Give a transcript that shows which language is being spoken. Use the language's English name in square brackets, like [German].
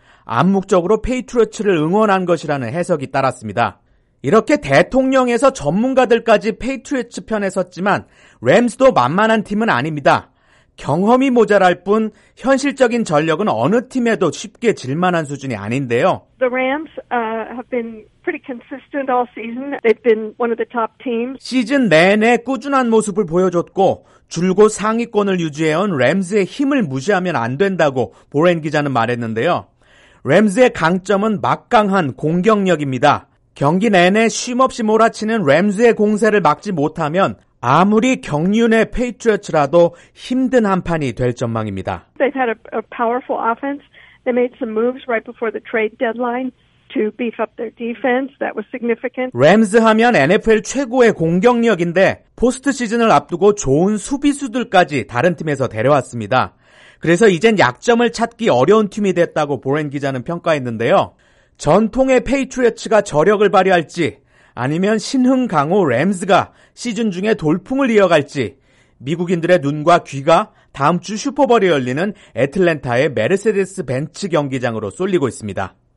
[Korean] 암묵적으로 페이트리어츠를 응원한 것이라는 해석이 따랐습니다. 이렇게 대통령에서 전문가들까지 페이트리어츠 편에 섰지만 램즈도 만만한 팀은 아닙니다. 경험이 모자랄 뿐 현실적인 전력은 어느 팀에도 쉽게 질만한 수준이 아닌데요. [English] The Rams have been pretty consistent all season. They've been one of the top teams. [Korean] 시즌 내내 꾸준한 모습을 보여줬고 줄곧 상위권을 유지해온 램즈의 힘을 무시하면 안 된다고 보렌 기자는 말했는데요. 램즈의 강점은 막강한 공격력입니다. 경기 내내 쉼 없이 몰아치는 램즈의 공세를 막지 못하면 아무리 경륜의 페이트리어츠라도 힘든 한판이 될 전망입니다. [English] They've had a powerful offense. They made some moves right before the trade deadline to beef up their defense. That was significant. [Korean] 램즈 하면 NFL 최고의 공격력인데 포스트 시즌을 앞두고 좋은 수비수들까지 다른 팀에서 데려왔습니다. 그래서 이젠 약점을 찾기 어려운 팀이 됐다고 보렌 기자는 평가했는데요. 전통의 페이트리어츠가 저력을 발휘할지 아니면 신흥 강호 램즈가 시즌 중에 돌풍을 이어갈지 미국인들의 눈과 귀가 다음 주 슈퍼볼이 열리는 애틀랜타의 메르세데스 벤츠 경기장으로 쏠리고 있습니다.